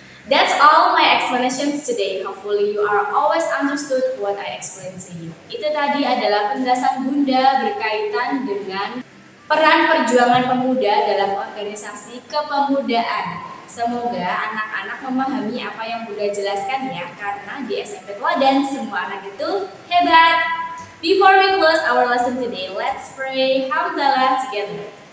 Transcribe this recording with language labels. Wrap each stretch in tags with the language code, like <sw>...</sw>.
<en>That's all my explanations today. Hopefully you are always understood what I explain to you.</en> <id>Itu tadi adalah penjelasan Bunda berkaitan dengan peran perjuangan pemuda dalam organisasi kepemudaan. Semoga anak-anak memahami apa yang Bunda jelaskan ya, karena di SMP Teladan semua anak itu hebat.</id> <en>Before we close our lesson today, let's pray Alhamdulillah together.</en>